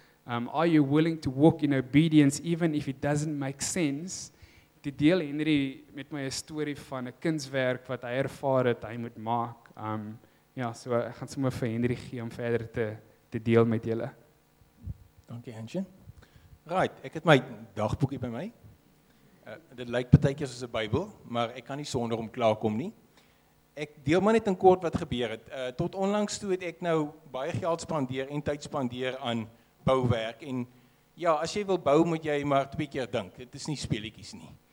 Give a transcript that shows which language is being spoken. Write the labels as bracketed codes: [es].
[en] Are you willing to walk in obedience even if it doesn't make sense? [af] Die deel Henry met my 'n storie van 'n kunswerk wat hy ervaar het hy moet maak. Ja, so ek gaan sommer vir Henry gee om verder te deel met julle. Dankie, Hansjen. Right, ek het my dagboekie by my. Dit lyk partykeer soos 'n Bybel, maar ek kan nie sonder hom klaarkom nie. Ek deel maar net in kort wat gebeur het. Tot onlangs toe het ek nou baie geld spandeer en tyd spandeer aan bouwerk. En ja, as jy wil bou, moet jy maar twee keer dink. Dit is nie speletjies nie.